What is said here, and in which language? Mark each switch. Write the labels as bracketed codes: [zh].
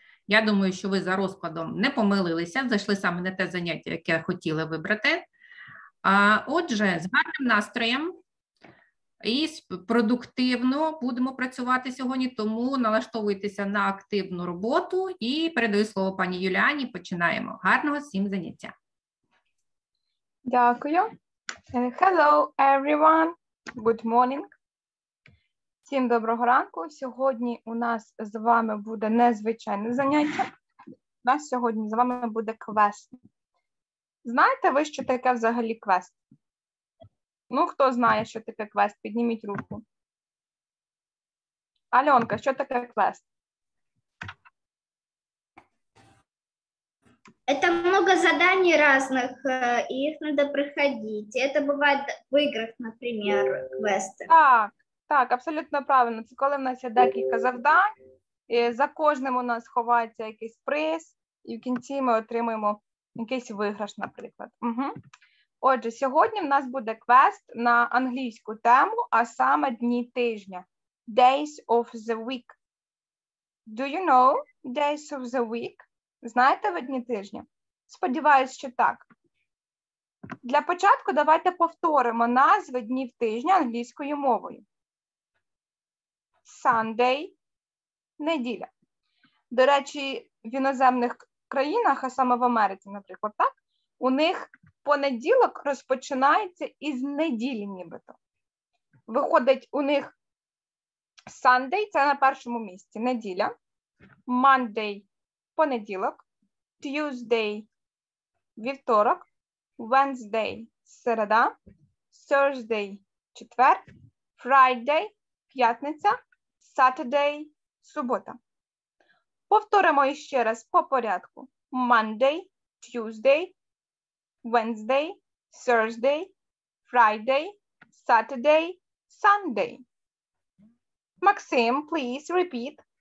[uk] Я думаю, що ви за розкладом не помилилися, зайшли саме на те заняття, яке хотіли вибрати. Отже, з гарним настроєм і продуктивно будемо працювати сьогодні, тому налаштовуйтеся на активну роботу і передаю слово пані Юліані, починаємо. Гарного всім заняття. Дякую. [en] Hello everyone, good morning. [uk] Всім доброго ранку. Сьогодні у нас з вами буде незвичайне заняття. У нас сьогодні з вами буде квест. Знаєте ви, що таке взагалі квест? Ну, хто знає, що таке квест? Підніміть руку. Альонка, що таке квест? [ru] Это много заданий разных, и их надо проходить. Это бывает в играх, например, квесты. [uk] Так, так, абсолютно правильно. Це коли в нас є декілька завдань, і за кожним у нас ховається якийсь приз, і в кінці ми отримуємо якийсь виграш, наприклад. Угу. Отже, сьогодні в нас буде квест на англійську тему, а саме дні тижня. [en] Days of the week. Do you know days of the week? [uk] Знаєте ви дні тижня? Сподіваюсь, що так. Для початку давайте повторимо назви днів тижня англійською мовою. Sunday – неділя. До речі, в іноземних країнах, а саме в Америці, наприклад, так, у них понеділок розпочинається із неділі нібито. Виходить, у них Sunday – це на першому місці, неділя. Monday – понеділок, Tuesday – вівторок, Wednesday – середа, Thursday – четвер, Friday – п'ятниця, Saturday – субота. Повторимо ще раз по порядку. [en] Monday, Tuesday, Wednesday, Thursday, Friday, Saturday, Sunday. Максим, please repeat.